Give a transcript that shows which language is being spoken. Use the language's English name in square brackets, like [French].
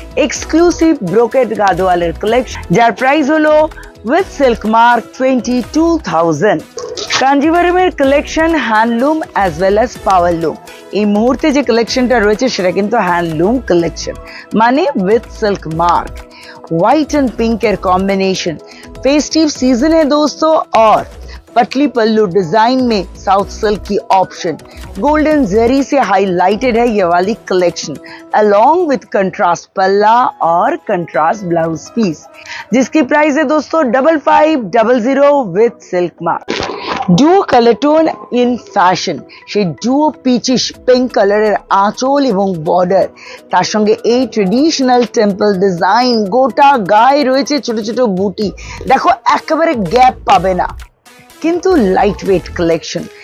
[Bangla] Exclusive brocade গাদোয়ালের collection যার price হলো with silk mark 22000। কাঞ্জিভরমের collection handloom as well as পাওয়ার লুম, এই মুহূর্তে যে কালেকশনটা রয়েছে সেটা কিন্তু হ্যান্ডলুম কালেকশন, মানে with silk mark, white and পিঙ্কের কম্বিনেশন, ফেস্টিভ সিজনে দোস্ত আর [Hindi] पतली पल्लू डिजाइन में साउथ सिल्क की ऑप्शन, गोल्डन जरी से हाईलाइटेड है ये वाली कलेक्शन अलोंग विद कंट्रास्ट पल्ला और कंट्रास्ट ब्लाउज पीस, जिसकी प्राइस है दोस्तों 5500 with silk mark. [Bangla] Duo colour tone in fashion, সেই ডুও পিচিশ পিঙ্ক কালারের আঁচল এবং বর্ডার, তার সঙ্গে এই ট্রেডিশনাল টেম্পল ডিজাইন, গোটা গায়ে রয়েছে ছোট ছোট বুটি, দেখো একেবারে গ্যাপ পাবে না, কিন্তু লাইটওয়েট কালেকশন।